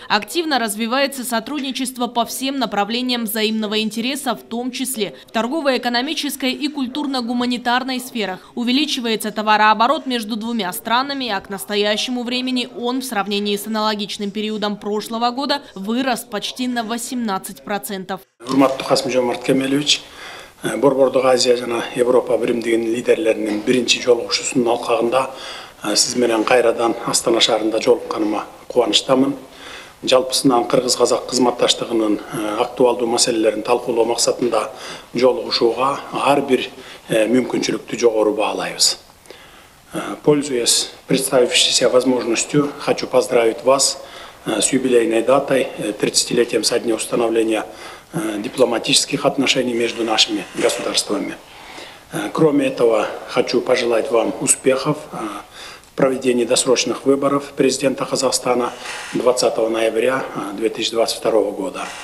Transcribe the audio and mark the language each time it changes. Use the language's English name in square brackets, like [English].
[Russian] Активно развивается сотрудничество по всем направлениям взаимного интереса, в том числе в торгово-экономической и культурно-гуманитарной сферах. Увеличивается товарооборот между двумя странами, а к настоящему времени он в сравнении с аналогичным периодом прошлого года вырос почти на 18%. [Kyrgyz] Урматтуу Касым-Жомарт Кемелович, Борбордогу Азия жана Европа биримдигинин лидерлеринин биринчи жолугушуусунун алкагында сиз менен кайрадан Астана шаарында жолукканыма кубанычтамын. Жалпысынан кыргыз-казак кызматташтыгынын актуалдуу маселелерин талкуулоо максатында жолугушууга ар бир мүмкүнчүлүктү жогору баалайбыз. [Russian] Пользуясь представившейся возможностью, хочу поздравить вас с юбилейной датой, 30-летием со дня установления дипломатических отношений между нашими государствами. Кроме этого, хочу пожелать вам успехов в проведении досрочных выборов президента Казахстана 20 ноября 2022 года.